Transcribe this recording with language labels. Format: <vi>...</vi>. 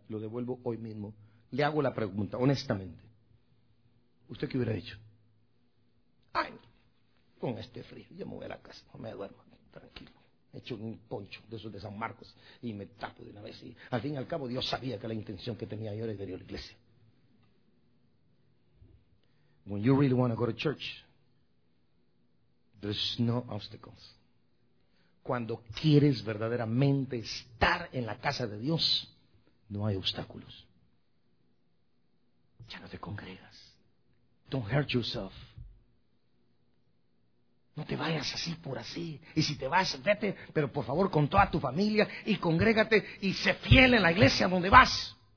<es>Lo devuelvo hoy mismo. Le hago la pregunta, honestamente. ¿Usted qué hubiera hecho? Ay, con este frío. Yo me voy a la casa, no me duermo, tranquilo. He hecho un poncho de esos de San Marcos y me tapo de una vez. Y al fin y al cabo, Dios sabía que la intención que tenía yo era ir a la iglesia.</es> <en>When you really want to go to church, there's no obstacles.</en> <es>Cuando quieres verdaderamente estar en la casa de Dios, no hay obstáculos. Ya no te congregas.</es> <en>Don't hurt yourself.</en> <es>No te vayas así por así. Y si te vas, vete, pero por favor, con toda tu familia, y congrégate, y sé fiel en la iglesia donde vas.</es>